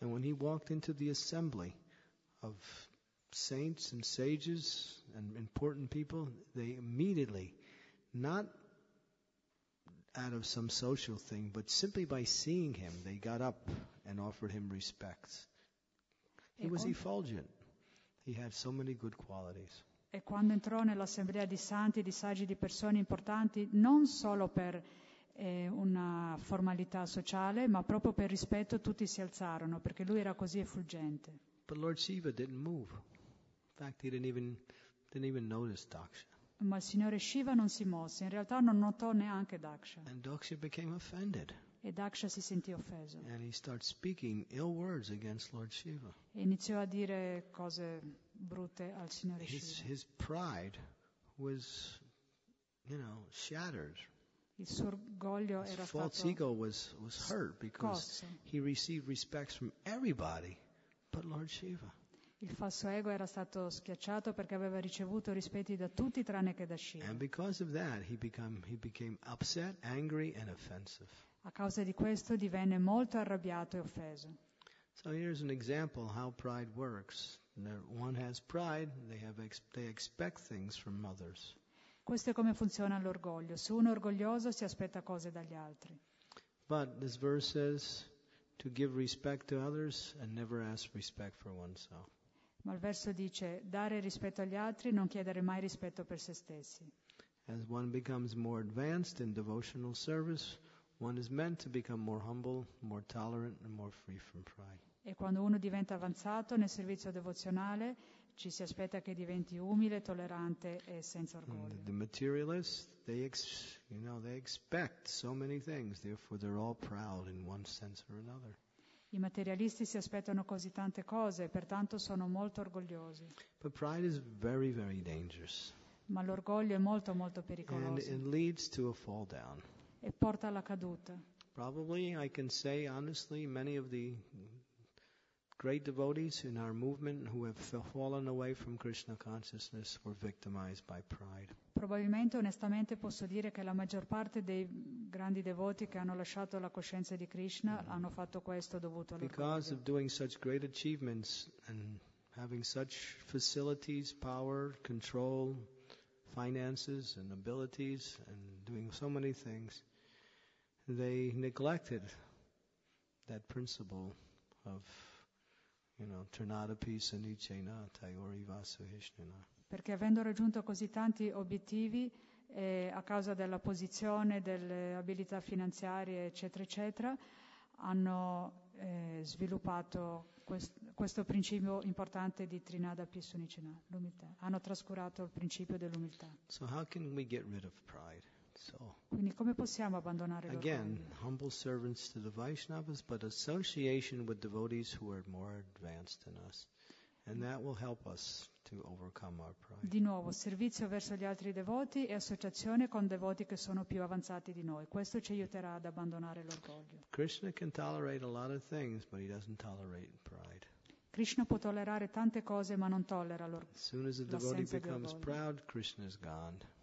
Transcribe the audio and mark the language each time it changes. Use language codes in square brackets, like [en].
[en] And when he walked into the assembly of saints and sages and important people, they immediately, not out of some social thing, but simply by seeing him, they got up and offered him respects. He was effulgent. He had so many good qualities. [it] E quando entrò nell'assemblea di santi, di saggi, di persone importanti, non solo per una formalità sociale, ma proprio per rispetto, tutti si alzarono, perché lui era così effulgente. [en] But Lord Shiva didn't move. In fact, he didn't even notice Daksha. [it] Ma il signore Shiva non si mosse. In realtà non notò neanche Daksha. [en] And Daksha became offended. [it] E Daksha si sentì offeso. [en] And he started speaking ill words against Lord Shiva. [it] E iniziò a dire cose brutte al signore [en] Shiva. His pride was, you know, shattered. [it] Il suo orgoglio era stato [en] false ego was hurt because he received respects from everybody but Lord Shiva. [it] Il falso ego era stato schiacciato perché aveva ricevuto rispetti da tutti tranne che da Shiva. [en] And because of that he became upset, angry and offensive. [it] A causa di questo divenne molto arrabbiato e offeso. [en] So here's an example how pride works. When one has pride, they expect things from others. [it] Questo è come funziona l'orgoglio. Se uno è orgoglioso si aspetta cose dagli altri. [en] But this verse says to give respect to others and never ask respect for oneself. [it] Ma il verso dice dare rispetto agli altri, non chiedere mai rispetto per se stessi. [en] As one becomes more advanced in devotional service, one is meant to become more humble, more tolerant and more free from pride. [it] E quando uno diventa avanzato nel servizio devozionale, ci si aspetta che diventi umile, tollerante e senza orgoglio. [en] The materialists, they expect so many things, therefore they're all proud in one sense or another. [it] I materialisti si aspettano così tante cose, pertanto sono molto orgogliosi. [en] But pride is very, very dangerous. [it] Ma l'orgoglio è molto, molto pericoloso. [en] And it leads to a fall down. [it] E porta alla caduta. [en] Probably I can say honestly, many of the great devotees in our movement who have fallen away from Krishna consciousness were victimized by pride. [it] Probabilmente, onestamente, posso dire che la maggior parte dei grandi devoti che hanno lasciato la coscienza di Krishna hanno fatto questo dovuto all'orgoglio. [en] Because of doing such great achievements and having such facilities, power, control, finances and abilities and doing so many things, they neglected that principle of Trinadapi Sanichena Tayori Vasuhishnina. [it] Perché avendo raggiunto così tanti obiettivi, a causa della posizione, delle abilità finanziarie, eccetera, eccetera, hanno sviluppato questo principio importante di Trinadapi Sunichena, l'umiltà. Hanno trascurato il principio dell'umiltà. [en] So how can we get rid of pride? So, [it] quindi come possiamo abbandonare l'orgoglio? [en] Again, humble servants to the Vaishnavas, but association with devotees who are more advanced than us. And that will help us to overcome our pride. [it] Di nuovo, servizio verso gli altri devoti e associazione con devoti che sono più avanzati di noi. Questo ci aiuterà ad abbandonare l'orgoglio. [en] Krishna can tolerate a lot of things, but he doesn't tolerate pride. [it] Krishna può tollerare tante cose, ma non tollera l'orgoglio. [en] As soon as a devotee becomes proud, Krishna is gone.